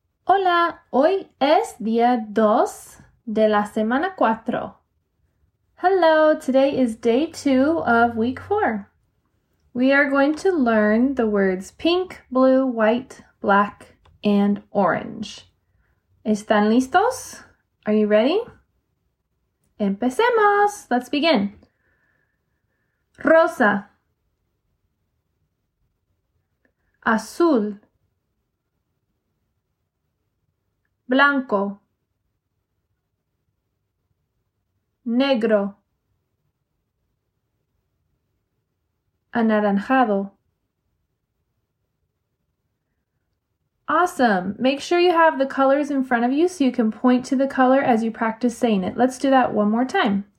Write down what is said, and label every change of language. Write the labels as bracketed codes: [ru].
[es] Hola, hoy es día dos de la semana cuatro. [en] Hello, today is day two of week four. We are going to learn the words pink, blue, white, black, and orange. [es] ¿Están listos? [en] Are you ready? [es] Empecemos! [en] Let's begin. Rosa. [es] Azul. Blanco, negro, anaranjado. [en] Awesome. Make sure you have the colors in front of you so you can point to the color as you practice saying it. Let's do that one more time.